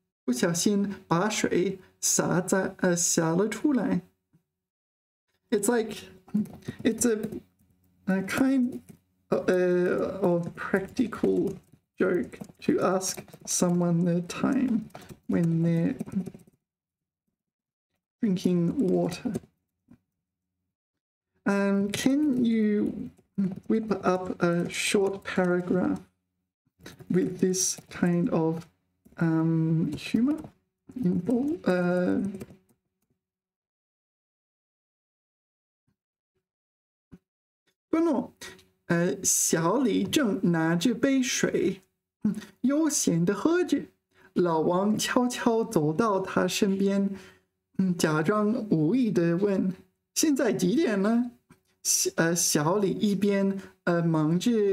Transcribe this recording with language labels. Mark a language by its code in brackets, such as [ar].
[zh] 不小心把水洒在洒了出来. [en] It's like, it's a kind of practical joke to ask someone the time when they're drinking water. Can you whip up a short paragraph with this kind of humor involved? [es] Bueno, [zh] 小李正拿着杯水 悠闲地喝着，老王悄悄走到他身边，假装无意地问：“现在几点了？”小李一边忙着